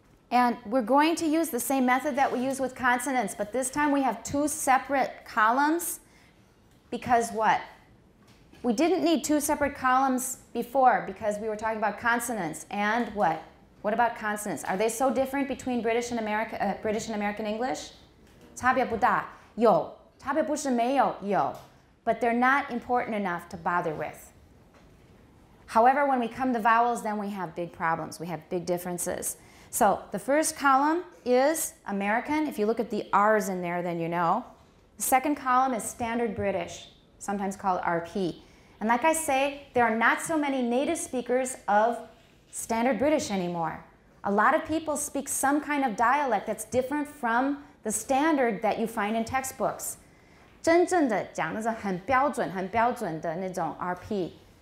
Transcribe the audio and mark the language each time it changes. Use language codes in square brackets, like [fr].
[en] And we're going to use the same method that we use with consonants, but this time we have two separate columns. Because what? We didn't need two separate columns before because we were talking about consonants. And what? What about consonants? Are they so different between British and America, British and American English? [zh] 差别不大，有，差别不是没有，有. [en] But they're not important enough to bother with. However, when we come to vowels, then we have big problems. We have big differences. So the first column is American. If you look at the R's in there, then you know. The second column is standard British, sometimes called RP. And like I say, there are not so many native speakers of standard British anymore. A lot of people speak some kind of dialect that's different from the standard that you find in textbooks. [zh] 真正的讲的是很标准的那种 RP.